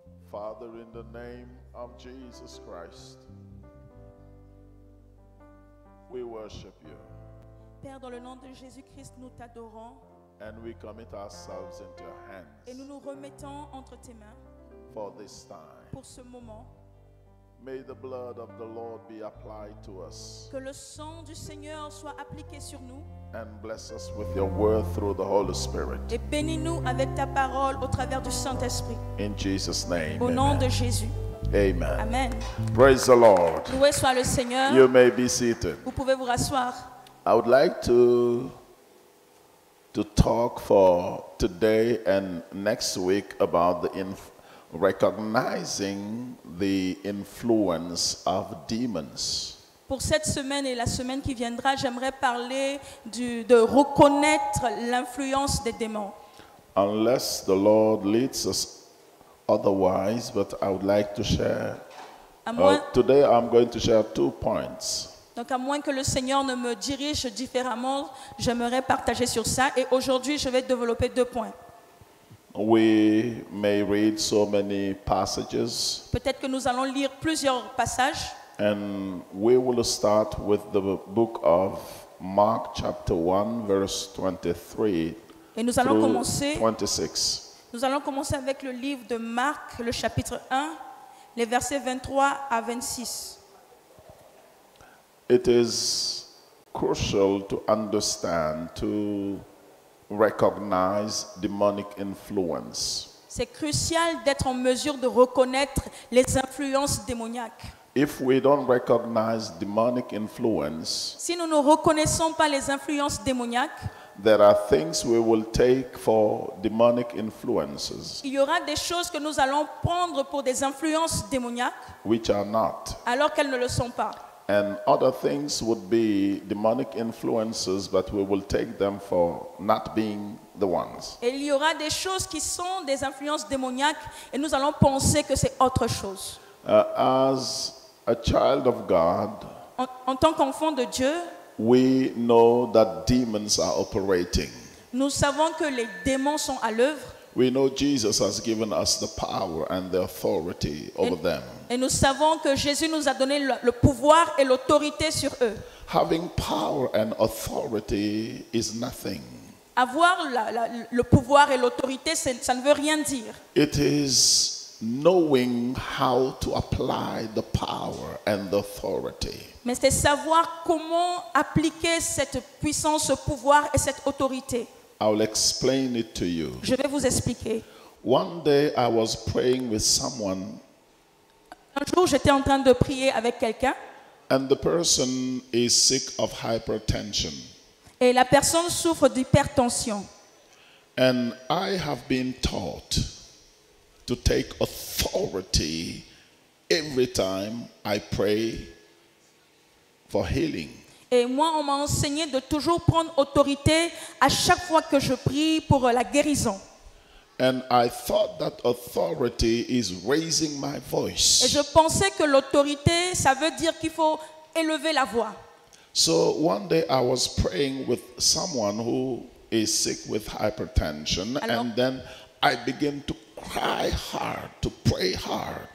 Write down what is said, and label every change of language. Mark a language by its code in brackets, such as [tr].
[en] Father, in the name of Jesus Christ, we worship you. [fr] Père, dans le nom de Jésus-Christ, nous t'adorons. [en] And we commit ourselves into your hands. [fr] Et nous nous remettons entre tes mains. [en] For this time. [fr] Pour ce moment. [en] May the blood of the Lord be applied to us. [fr] Que le sang du Seigneur soit appliqué sur nous. [en] And bless us with your word through the Holy Spirit. [fr] Et bénis-nous avec ta parole au travers du Saint-Esprit. [en] In Jesus' name. [fr] Au nom de Jésus. [en] Amen. [fr] Amen. [en] Praise the Lord. [fr] Loué soit le Seigneur. [en] You may be seated. [fr] Vous pouvez vous rasseoir. [en] I would like to talk for today and next week about the recognizing the influence of demons. [fr] Pour cette semaine et la semaine qui viendra, j'aimerais parler de reconnaître l'influence des démons. [en] Unless the Lord leads us otherwise, but I would like to share. Today I'm going to share two points. [fr] Donc à moins que le Seigneur ne me dirige différemment, j'aimerais partager sur ça. Et aujourd'hui, je vais développer deux points. [en] We may read so many passages. [fr] Peut-être que nous allons lire plusieurs passages. [en] And we will start with the book of Mark chapter 1 verse 23. [fr] Et nous allons commencer 26. Nous allons commencer avec le livre de Marc, le chapitre 1, les versets 23 à 26. [en] It is crucial to understand, to recognize demonic influence. [fr] C'est crucial d'être en mesure de reconnaître les influences démoniaques. [en] If we don't recognize demonic influence, [fr] si nous ne reconnaissons pas les influences démoniaques, [en] there are things we will take for demonic influences. [fr] Il y aura des choses que nous allons prendre pour des influences démoniaques, [en] which are not. [fr] Alors qu'elles ne le sont pas. [en] And other things would be demonic influences, but we will take them for not being the ones. [fr] Et il y aura des choses qui sont des influences démoniaques et nous allons penser que c'est autre chose. [en] As a child of God, [fr] en tant qu'enfant de Dieu, [en] we know that demons are operating. [fr] Nous savons que les démons sont à l'œuvre. [en] We know Jesus has given us the power and the authority over them. [fr] Et nous savons que Jésus nous a donné le pouvoir et l'autorité sur eux. [en] Having power and authority is nothing. [fr] Avoir le pouvoir et l'autorité, ça ne veut rien dire. [en] It is knowing how to apply the power and the authority. [fr] Mais c'est savoir comment appliquer cette puissance, ce pouvoir et cette autorité. [en] I will explain it to you. [fr] Je vais vous expliquer. [en] One day I was praying with someone. [fr] Un jour j'étais en train de prier avec quelqu'un. [en] And the person is sick of hypertension. [fr] Et la personne souffre d'hypertension. [en] And I have been taught to take authority every time I pray for healing. [fr] Et moi, on m'a enseigné de toujours prendre autorité à chaque fois que je prie pour la guérison. [en] And I thought that authority is raising my voice. [fr] Et je pensais que l'autorité, ça veut dire qu'il faut élever la voix. [en] So one day I was praying with someone who is sick with hypertension. [fr] Alors, [en] and then I began to cry hard, to pray hard.